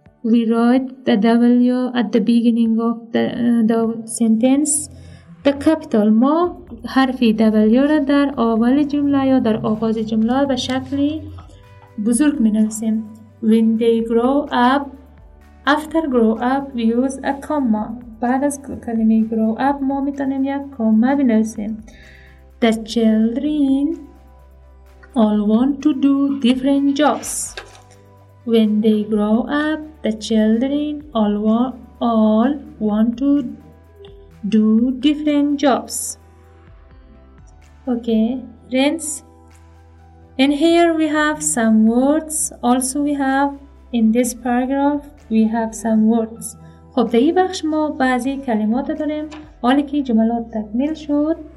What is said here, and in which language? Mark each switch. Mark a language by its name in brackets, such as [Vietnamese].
[English] we write the W at the beginning of the sentence the capital [Persian] ما حرف W را در اول جمله یا در آغاز جمله به شکلی بزرگ می نویسیم [English] When they grow up after grow up we use a comma [Persian] بعد از کلمه grow up ما می تانیم یک کامه بنویسیم [English] The children all want to do different jobs When they grow up the children all want to do different jobs Okay, friends And here we have some words Also we have in this paragraph we have some words [Persian] خب در این بخش ما بعضی کلمات داریم حالی که جملات تکمیل شد